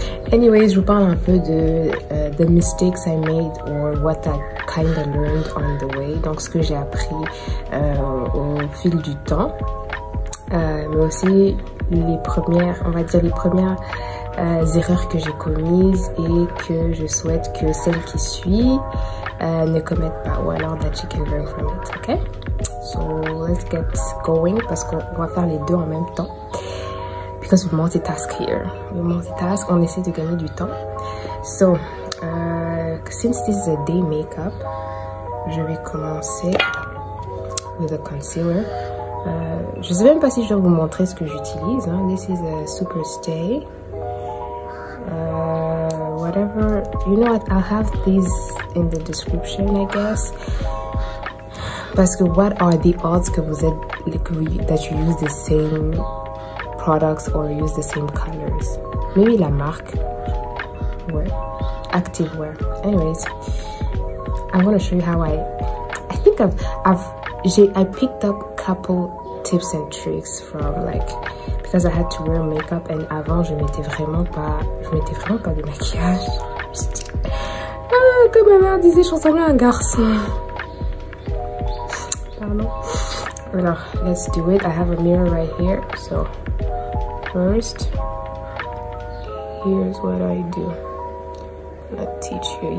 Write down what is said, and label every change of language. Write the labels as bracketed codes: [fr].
[en] Anyway, [fr] je vous parle un peu de [en] the mistakes I made or what I kind of learned on the way. [fr] Donc, ce que j'ai appris au fil du temps. Mais aussi les premières, on va dire les premières erreurs que j'ai commises et que je souhaite que celle qui suit ne commette pas. Ou alors [en] that she can learn from it, ok? So let's get going [fr] parce qu'on va faire les deux en même temps. [en] Because we're multitask here. We're multitask, [fr] on essaie de gagner du temps. [en] So, since this is a day makeup, [fr] je vais commencer [en] with a concealer. [fr] Je ne sais même pas si je dois vous montrer ce que j'utilise. [en] Hein. This is a super stay. Whatever. You know what? I'll have these in the description, I guess. [fr] Parce que [en] what are the odds [fr] que vous êtes [en] like, that you use the same products or use the same colors? Maybe [fr] la marque. Ouais. [en] Active wear. Anyways, I'm gonna show you how I picked up a couple tips and tricks from like because I had to wear makeup and [fr] avant je mettais vraiment pas de maquillage. Ah, comme ma mère disait, je ressemblais à un garçon. [en] Alors, let's do it. I have a mirror right here. So, first, here's what I do. Let's teach you.